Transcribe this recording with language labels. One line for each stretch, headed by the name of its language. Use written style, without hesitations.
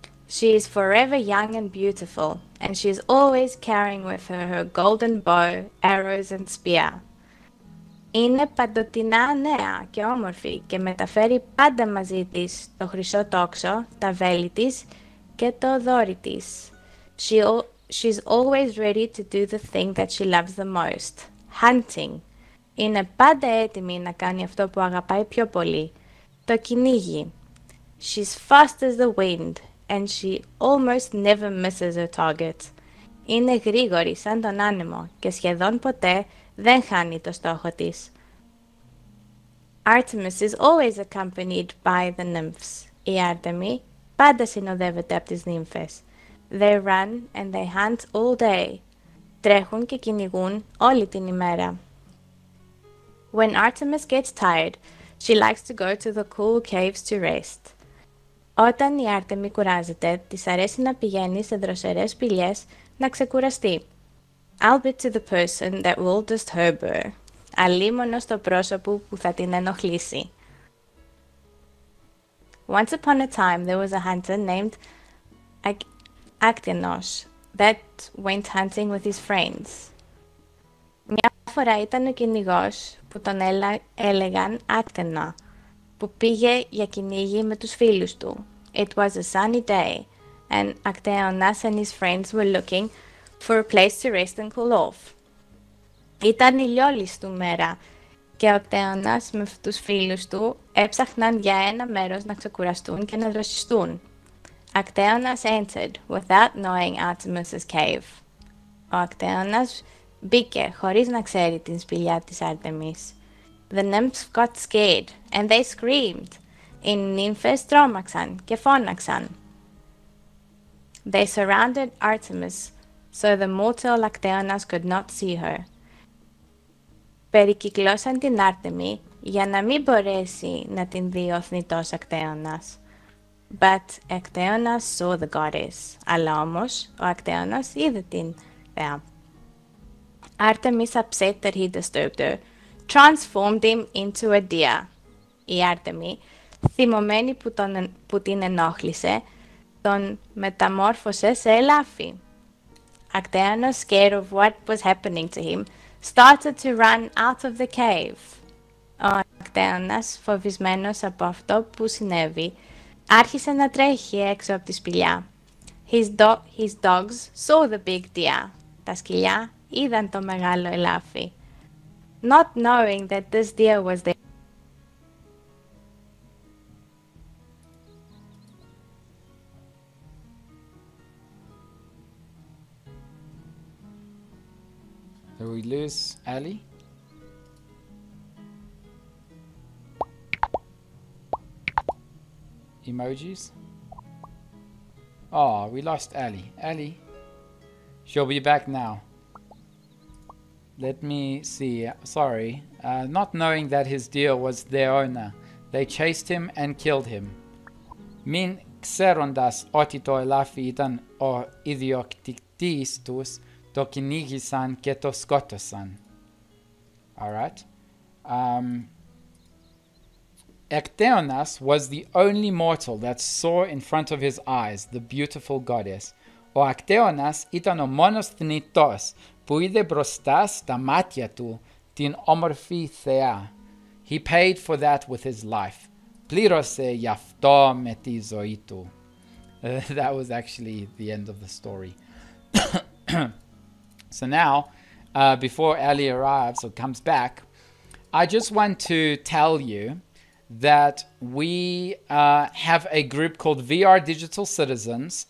English: She is forever young and beautiful, and she is always carrying with her her golden bow, arrows and spear.
Greek: Είναι παντοτινά νέα και όμορφη και μεταφέρει πάντα μαζί της το χρυσό τόξο, τα βέλη της και το δόρυ της.
English: She's always ready to do the thing that she loves the most, hunting.
Greek: Είναι πάντα έτοιμη να κάνει αυτό που αγαπάει πιο πολύ, το κυνήγι.
English: She's fast as the wind and she almost never misses her target.
Greek: Είναι γρήγορη σαν τον άνεμο και σχεδόν ποτέ δεν χάνει το στόχο της.
English: Artemis is always accompanied by the nymphs.
Greek: Η Άρτεμη πάντα συνοδεύεται από τις νύμφες.
English: They run and they hunt all day.
Greek: Τρέχουν και κυνηγούν όλη την ημέρα.
English: When Artemis gets tired, she likes to go to the cool caves to rest.
Greek: Όταν η Άρτεμη κουράζεται, της αρέσει να πηγαίνει σε δροσερές σπηλιές να ξεκουραστεί.
English: I'll be to the person that will disturb her.
Greek: Αλίμονο στο πρόσωπο που θα την ενοχλήσει.
English: Once upon a time, there was a hunter named Actinos that went hunting with his friends.
Greek: Μια φορά ήταν ο κυνηγός που τον έλεγαν Άκτενο, που πήγε για κυνήγι με τους φίλους του.
English: It was a sunny day, and Actinos and his friends were looking for a place to rest and cool off.
Greek: Ήταν ηλιόλουστη μέρα και ο Άκτενος με τους φίλους του έψαχναν για ένα μέρος να ξεκουραστούν και να δροσιστούν.
English: Actinos entered without knowing Artemis's cave.
Greek: Ο Actinos μπήκε χωρίς να ξέρει την σπηλιά της Άρτεμις.
English: The nymphs got scared and they screamed.
Greek: Οι νύμφες τρόμαξαν και φώναξαν.
English: They surrounded Artemis, so the mortal Lactaeonas could not see her.
Greek: Περικυκλώσαν την Άρτεμη για να μην μπορέσει να την δει ο θνητός Ακτέωνας.
English: But Ακτέωνας saw the goddess.
Greek: Αλλά όμως ο Ακτέωνας είδε την θεά.
English: Artemis, upset that he disturbed her, transformed him into a deer.
Greek: Η Άρτεμη, θυμωμένη που την ενόχλησε, τον μεταμόρφωσε σε ελάφι.
English: Ακτέωνας, scared of what was happening to him, started to run out of the cave.
Greek: Ο Ακτέωνας, φοβισμένος από αυτό που συνέβη, άρχισε να τρέχει έξω από τη σπηλιά.
English: His dogs saw the big deer.
Greek: Τα σκυλιά είδαν το μεγάλο ελάφι.
English: Not knowing that this deer was there. Did we lose Ali? Emojis? Oh, we lost Ali. Ali, she'll be back now. Let me see. Sorry. Not knowing that his deer was their owner, they chased him and killed him.
Greek: Min xerondas oti to elafi itan o idioktistus. Το κυνήγησαν και το σκότωσαν.
English: Alright. Ακτέωνας was the only mortal that saw in front of his eyes the beautiful goddess.
Greek: Ο Ακτέωνας ήταν ο μόνος θνητός που είδε μπροστά στα μάτια του την όμορφη θεά.
English: He paid for that with his life.
Greek: Πλήρωσε γι' αυτό με τη ζωή του.
English: That was actually the end of the story. So now, before Ali arrives or comes back, I just want to tell you that we have a group called VR Digital Citizens.